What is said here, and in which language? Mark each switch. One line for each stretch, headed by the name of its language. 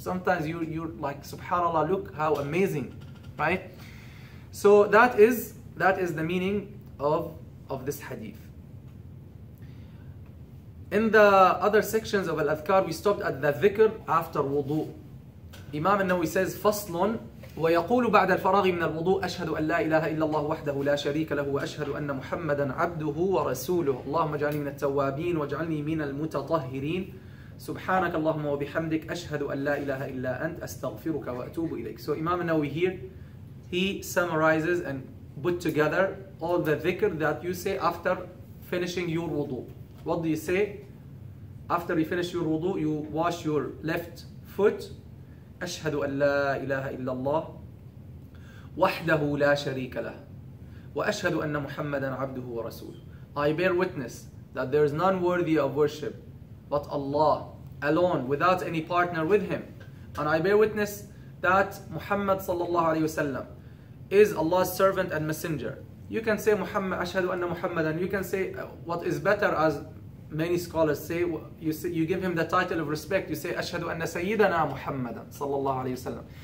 English: Sometimes you're like, subhanallah, look how amazing, right? So that is the meaning of this hadith. In the other sections of al-adhkar, we stopped at the dhikr after wudu.
Arabic: Imam al-Nawawi says, faslun, ويقول بعد الفراغ من الوضوء أشهد أن لا إله إلا الله وحده لا شريك له وأشهد أن محمدا عبده ورسوله اللهم اجعلني من التوابين واجعلني من المتطهرين سبحانك اللهم وبحمدك أشهد أن لا إله إلا أنت أستغفرك وأتوب إليك.
English: So Imam Nawawi here, he summarizes and put together all the dhikr that you say after finishing your wudu. What do you say? After you finish your wudu, you wash your left foot.
Arabic: أشهد أن لا إله إلا الله وحده لا شريك له وأشهد أن محمدا عبده ورسوله.
English: I bear witness that there is none worthy of worship but Allah alone, without any partner with Him. And I bear witness that Muhammad صلى الله عليه وسلم is Allah's servant and messenger. You can say Muhammad, أشهد أن محمدا. You can say what is better, as many scholars say, you give him the title of respect. You say, أشهد أن سيدنا محمدا صلى الله عليه وسلم.